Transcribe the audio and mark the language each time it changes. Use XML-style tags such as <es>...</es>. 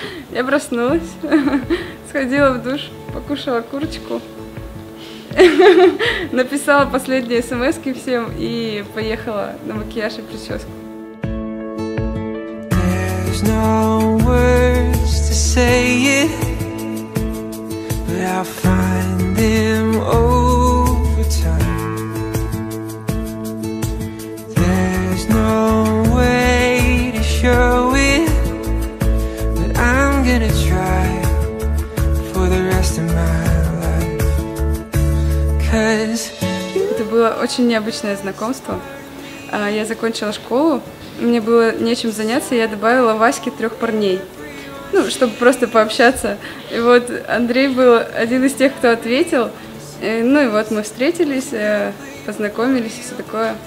<ru>Я проснулась, сходила в душ, покушала курочку, написала последние смски всем и поехала на макияж и прическу.</ru> <en>There's no words to say it, but I'll find them over time. There's no way to show it, but I'm gonna try for the rest of my life. 'Cause</en> <ru>это было очень необычное знакомство. Я закончила школу. Мне было нечем заняться, я добавила Ваське трех парней, ну, чтобы просто пообщаться. И вот Андрей был один из тех, кто ответил. И, ну и вот мы встретились, познакомились и все такое.</ru>